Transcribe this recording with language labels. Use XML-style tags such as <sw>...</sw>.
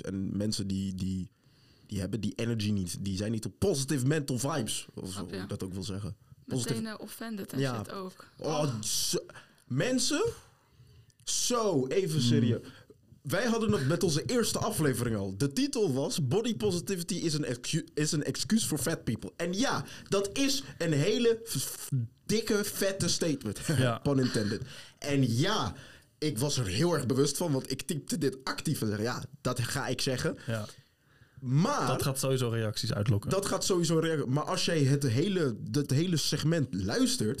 <nl>En mensen die hebben die energy niet. Die zijn niet op</nl> <en>positive mental vibes.</en> <nl>Of zo, hoe ik dat ook wil zeggen.</nl> <en>Positive.</en> <nl>Meteen offended en shit ook. Mensen... Zo, even serieus. Wij hadden het met onze eerste aflevering al. De titel was...</nl> <en>Body positivity is an excuse for fat people.</en> <nl>En ja, dat is een hele dikke, vette statement. Ja. Pun intended. En ja, ik was er heel erg bewust van. Want ik typte dit actief en zeg, ja, dat ga ik zeggen. Ja. Maar... Dat gaat sowieso reacties uitlokken. Dat gaat sowieso reacties... Maar als jij het hele segment luistert...</nl>